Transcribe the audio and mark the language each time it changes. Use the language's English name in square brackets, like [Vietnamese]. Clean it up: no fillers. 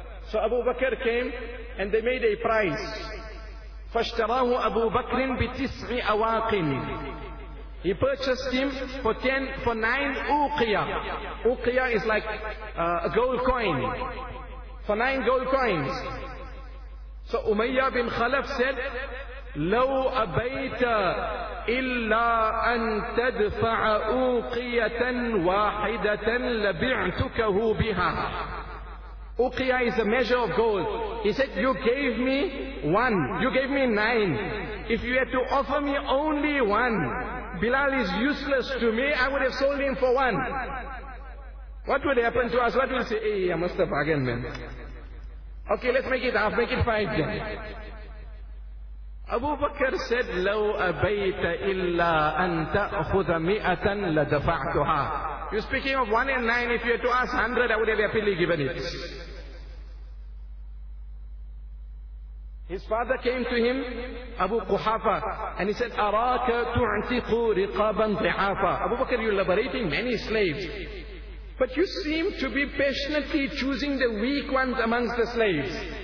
[English] So Abu Bakr came and they made a price. [Arabic] فَاشْتَرَاهُ أَبُو بَكْرٍ بِتِسْعِ أَوَاقٍ. [English] He purchased him for nine uqiyah. Uqiyah is like a gold coin. For nine gold coins. So Umayyah bin Khalaf said, [Arabic] لو أبيت إلا أن تدفع أوقية واحدة لبعتكه بها. [English] أوقية is a measure of gold. He said, you gave me one, you gave me nine. If you had to offer me only one, Bilal is useless to me, I would have sold him for one. What would happen to us? What would you say? Hey, I must have bargained, man. Okay, let's make it half, make it five then. Abu Bakr said, [Arabic] لَوْ أَبَيْتَ إِلَّا أَن تَأْخُذَ مِئَةً لَدَفَعْتُهَا. [English] You're speaking of one and nine, if you had to ask 100, I would have happily given it. His father came to him, Abu Quhafa, and he said, [Arabic] أَرَاكَ تُعْتِقُ رِقَابًا ضِعَافًا. [English] Abu Bakr, you're liberating many slaves, but you seem to be passionately choosing the weak ones amongst the slaves.